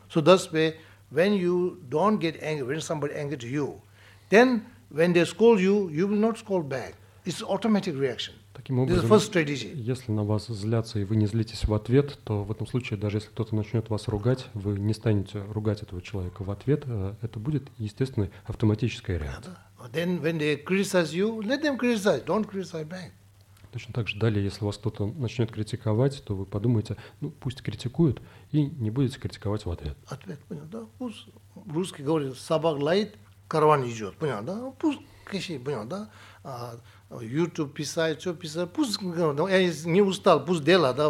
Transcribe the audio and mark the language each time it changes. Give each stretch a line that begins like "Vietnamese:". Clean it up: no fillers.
English: So that's why when you don't get angry, when somebody angry to you, then when they scold you, you will not scold back. It's automatic reaction.
Russian: Таким образом,
English: this is the first strategy.
Russian: Если на вас злятся и вы не злитесь в ответ, то в этом случае, даже если кто-то начнет вас ругать, вы не станете ругать этого человека в ответ. Это будет естественной автоматической реакцией.
English: Then when they criticize you, let them criticize. Don't criticize back.
Russian: Точно так же далее, если вас кто-то начнет критиковать, то вы подумаете, ну пусть критикуют, и не будете критиковать в ответ. Ответ, понял, да? Пусть русский говорит, собак лает, караван идет, понял, да? Пусть кричи, понял, да? YouTube писает, все писает, пусть, я не устал, пусть дело, да?